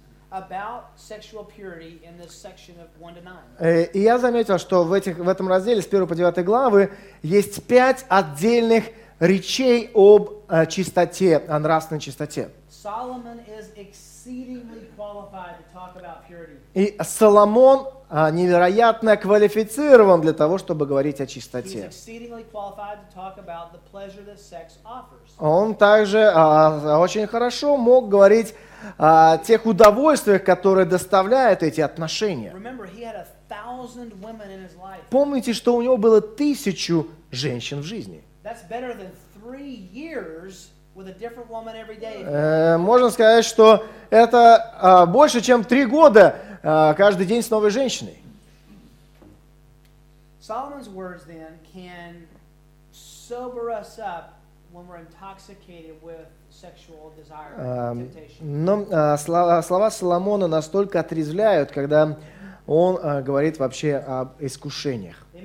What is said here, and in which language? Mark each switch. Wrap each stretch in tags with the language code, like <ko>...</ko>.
<en>About sexual purity in this section of 1 to 9.</en> <ru>И я заметил, что в этом разделе с 1 по 9 главы есть 5 отдельных речей об чистоте, о нравственной чистоте.</ru> <en>Solomon is exceedingly qualified to talk about purity.</en> <ru>И Соломон невероятно квалифицирован для того, чтобы говорить о чистоте.</ru> <en>He's exceedingly qualified to talk about the pleasure that sex offers.</en> <ru>Он также очень хорошо мог говорить о тех удовольствиях, которые доставляют эти отношения.</ru> <en>Remember, he had 1,000 women in his life.</en> <ru>Помните, что у него было 1,000 женщин в жизни.</ru> <en>That's better than 3 years with a different woman every day.</en> <ru>Можно сказать, что это больше, чем 3 года каждый день с новой женщиной.</ru> <en>Solomon's words then can sober us up when we're intoxicated with</en> <ru>Слова Соломона настолько отрезвляют, когда он говорит вообще об искушениях.</ru>